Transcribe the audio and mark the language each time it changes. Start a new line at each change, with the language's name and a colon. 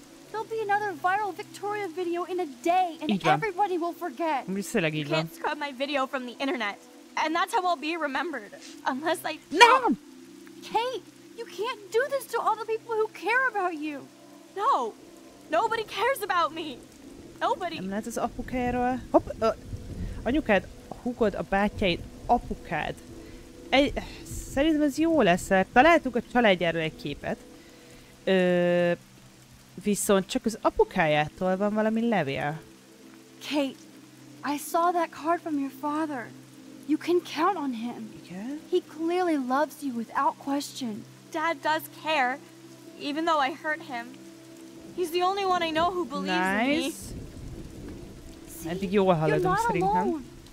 English: There'll be another viral Victoria video in a day, and everybody will forget.
Hungarian: Viszlag, így van.
English: You can't scrub my video from the internet, and that's how I'll be remembered. Unless I... No! Kate, you can't do this to all the people who care about you. No, nobody cares about me. Nobody.
Hungarian: Nem lehet az apukáról. Hopp, anyukád, húgod, a bátyáid, apukád. Szerintem ez jó lesz, mert találtuk a családjáról egy képet. Viszont csak az apukájától van valami levél.
English: Kate, I saw that card from your father. You can count on him. He clearly loves you without question. Dad does care, even though I hurt him. He's the only one I know who believes in me. Nice. See, you're not alone.